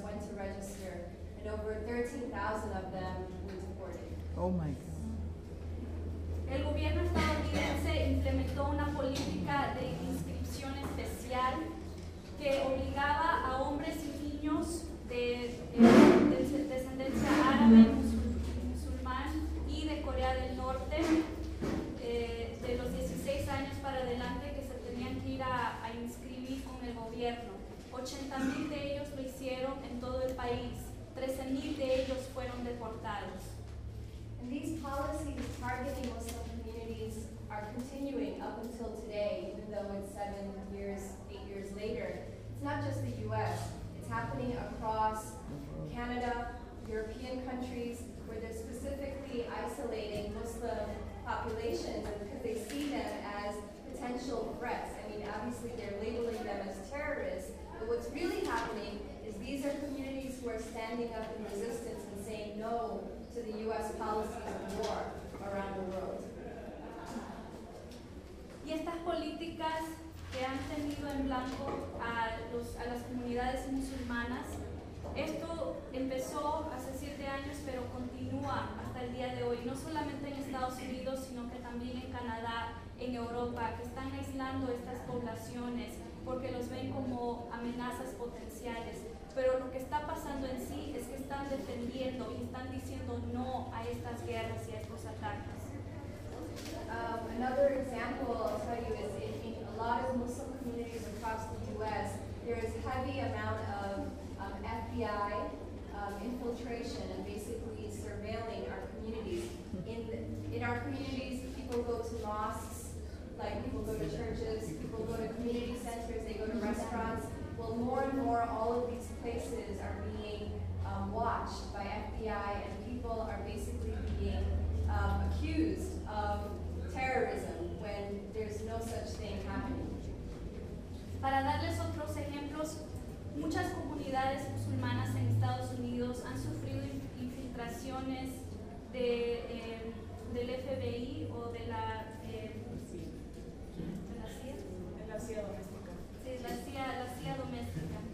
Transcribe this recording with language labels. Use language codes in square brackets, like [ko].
[en] went to register, and over 13,000 of them were deported. Oh my God. [es] El gobierno estadounidense implementó una política de inscripción especial que obligaba a hombres y niños de descendencia árabe, musulmán y de Corea del Norte de los 16 años para adelante que se tenían que ir a inscribir con el gobierno. 80,000 de ellos lo hicieron en todo el país. 13,000 de ellos fueron deportados. [en] And these policies targeting Muslim communities are continuing up until today, even though it's 7 years, 8 years later. It's not just the U.S. It's happening across Canada, European countries, where they're specifically isolating Muslim populations because they see them as potential threats. I mean, obviously they're labeling them as terrorists, but what's really happening is these are communities who are standing up in resistance and saying no to the U.S. policies of war around the world. [es] Y estas políticas que han tenido en blanco a las comunidades musulmanas, esto empezó hace 7 años, pero continúa hasta el día de hoy, no solamente en Estados Unidos, sino que también en Canadá, en Europa, que están aislando estas poblaciones porque los ven como amenazas potenciales. Pero lo que está pasando en sí es que están defendiendo y están diciendo no a estas guerras y a estos ataques. [en] Another example I'll tell you is in a lot of Muslim communities across the U.S., there is a heavy amount of FBI infiltration and basically surveilling our communities. In our communities, people go to mosques, like people go to churches, people go to community centers, they go to restaurants. Well, more and more, all of these places are being watched by FBI, and people are basically being accused of terrorism when there's no such thing happening. [es] Para darles otros ejemplos, muchas comunidades musulmanas en Estados Unidos han sufrido infiltraciones del FBI o de la CIA doméstica.